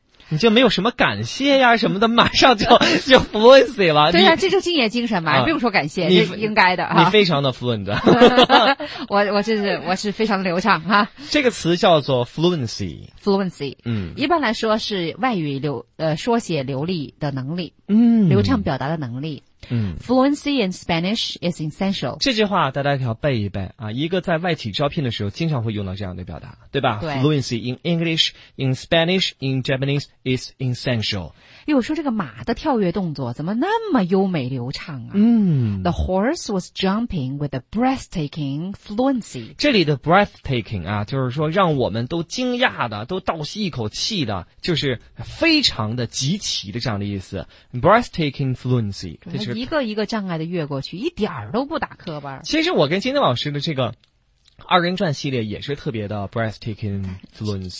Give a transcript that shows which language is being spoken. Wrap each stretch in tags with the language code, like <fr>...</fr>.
<zh>你就没有什么感谢呀什么的，马上就 fluency 了。对呀、这就敬业精神嘛，不用说感谢，应该的。你非常的 fluent。我是非常流畅哈。这个词叫做 fluency。 fluency。一般来说是外语书写流利的能力。流畅表达的能力。</zh> <en>Fluency in Spanish is essential.</en> <zh>这句话大家要背一背啊，一个在外企招聘的时候经常会用到这样的表达，对吧？对。</zh> <en>Fluency in English, in Spanish, in Japanese is essential.</en> <zh>又说这个马的跳跃动作怎么那么优美流畅啊？</zh> <en>The horse was jumping with a breathtaking fluency.</en> <zh>这里的 breathtaking 啊，就是说让我们都惊讶的，都倒吸一口气的，就是非常的极其的这样的意思。</zh> <en>Breathtaking fluency。</en> <zh>一个一个障碍的越过去，一点儿都不打磕巴。其实我跟金丁老师的这个二人转系列也是特别的</zh> <en>breathtaking fluency，</en>